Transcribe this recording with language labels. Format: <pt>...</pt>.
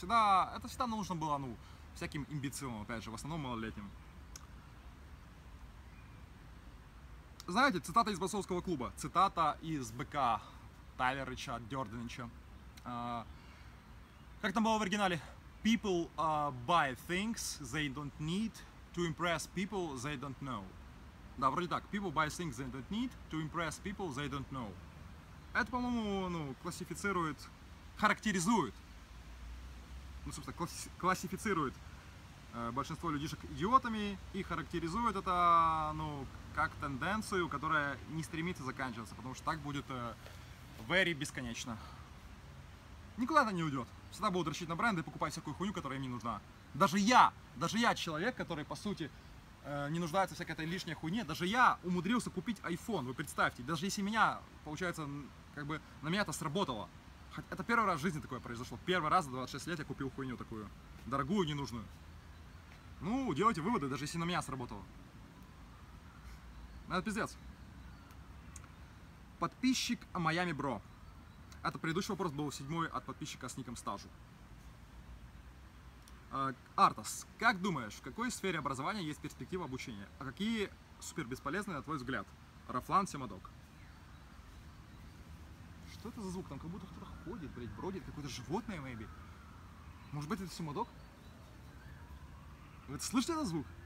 <ru>Это всегда нужно было, ну, всяким имбецилам, опять же, в основном малолетним. Знаете, цитата из Борцовского клуба. Цитата из БК Тайлерича, Дёрденича. Как там было в оригинале?</ru> <en>People buy things they don't need to impress people they don't know.</en> <ru>Да, вроде так.</ru> <en>People buy things they don't need to impress people they don't know.</en> <ru>Это, по-моему, ну, классифицирует, характеризует. Ну, собственно, классифицирует большинство людишек идиотами и характеризует это, ну, как тенденцию, которая не стремится заканчиваться, потому что так будет</ru> <en>very</en> <ru>бесконечно. Никуда это не уйдет. Всегда будут рассчитывать на бренды и покупать всякую хуйню, которая им не нужна. Даже я человек, который, по сути, не нуждается в всякой этой лишней хуйне, даже я умудрился купить iPhone, вы представьте. Даже если меня, получается, как бы на меня это сработало. Это первый раз в жизни такое произошло. Первый раз за 26 лет я купил хуйню такую. Дорогую, ненужную. Ну, делайте выводы, даже если на меня сработало. Это пиздец. Подписчик Miami Bro. Это предыдущий вопрос был 7-й от подписчика с ником Стажу. Артас, как думаешь, в какой сфере образования есть перспектива обучения? А какие супер бесполезные, на твой взгляд? Рафлан Семадок. Что это за звук? Там как будто кто-то ходит, блядь, бродит, какое-то животное,</ru> <en>maybe.</en> <ru>Может быть, это Семадок? Вы слышите этот звук?</ru>